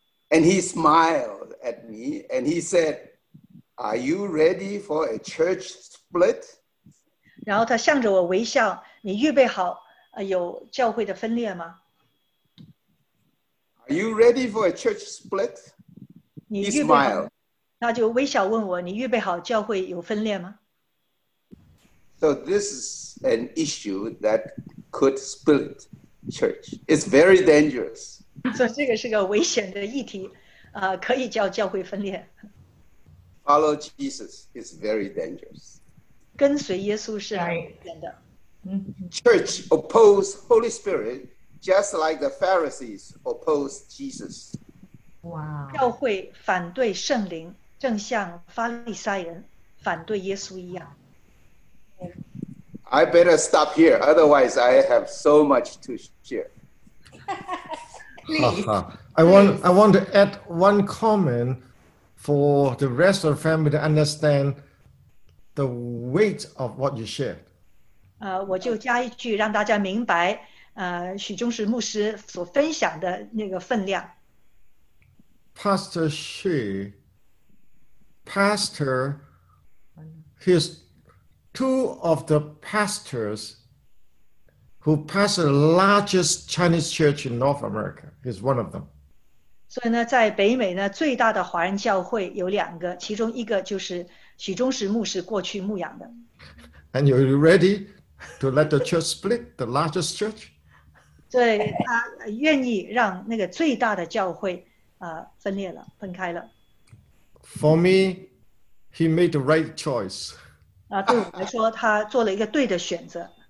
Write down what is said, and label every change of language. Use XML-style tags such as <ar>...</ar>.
<en>And he smiled at me and he said, "Are you ready for a church split?"</en> <zh>然后他向着我微笑, 你预备好, 有教会的分裂吗?</zh> <en>Are you ready for a church split?</en> <zh>你预备好,</zh> <en>he smiled.</en> <zh>他就微笑问我, 你预备好教会有分裂吗?</zh> <en>So this is an issue that could split church. It's very dangerous. So this is a dangerous issue. Can cause the church to follow Jesus is very dangerous. Follow Jesus is very dangerous. Church oppose Holy Spirit just like the Pharisees oppose Jesus. Wow.</en> <zh>教会反对圣灵, 正像法利赛人反对耶稣一样。</zh> <en>I better stop here, otherwise I have so much to share. Please. I want to add one comment for the rest of the family to understand the weight of what you shared.</en> <zh>我就加一句让大家明白, 许忠实牧师所分享的那个分量。</zh> <en>Pastor Xu, Pastor, his two of the pastors who pastor the largest Chinese church in North America is one of them. So, in the world, the largest Chinese church is one of them. And you're ready to let the church split, the largest church? So, you're ready to let the church split, the largest church? For me, he made the right choice.</en> <zh>对我来说,他做了一个对的选择。</zh>